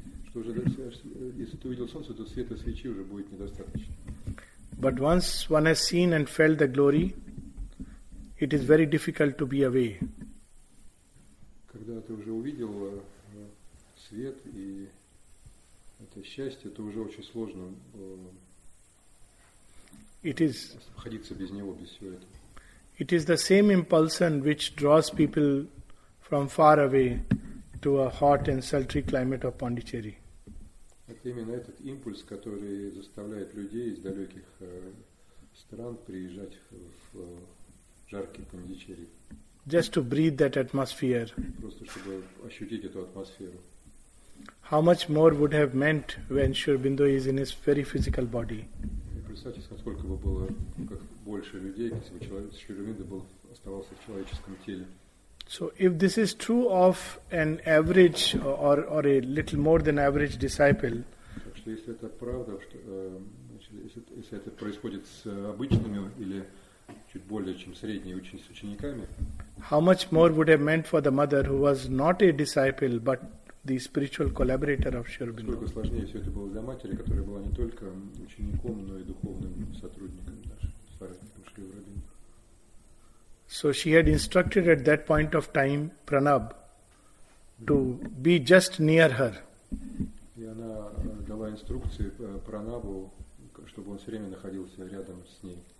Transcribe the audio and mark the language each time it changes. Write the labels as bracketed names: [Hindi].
[Russian] Что уже, если ты увидел солнце, то света свечи уже будет недостаточно. [English] But once one has seen and felt the glory, it is very difficult to be away. [Russian] Когда ты уже увидел свет и это счастье, то уже очень сложно обходиться без него, без всего этого. [English] It is the same impulsion which draws people from far away to a hot and sultry climate of Pondicherry. [Russian] Это именно этот импульс, который заставляет людей из далеких стран приезжать в жаркий Пондичерри. [English] Just to breathe that atmosphere. [Russian] Просто чтобы ощутить эту атмосферу. [English] How much more would have meant when Sri Aurobindo is in his very physical body? [Russian] Представьте, сколько бы было больше людей, если бы Шри Аурабинда оставался в человеческом теле. [English] So if this is true of an average or a little more than average disciple. [Russian] Так что если это правда, что если это происходит с обычными или чуть более чем средние ученики с учениками. [English] How much more would have meant for the mother who was not a disciple but the spiritual collaborator of Sri Aurobindo? [Russian] Сколько сложнее все это было для матери, которая была не только учеником, но и духовным сотрудником нашим Шри Аурабинда. [English] So she had instructed at that point of time Pranab to be just near her. [Russian] И она дала инструкции Пранабу, чтобы он все время находился рядом с ней.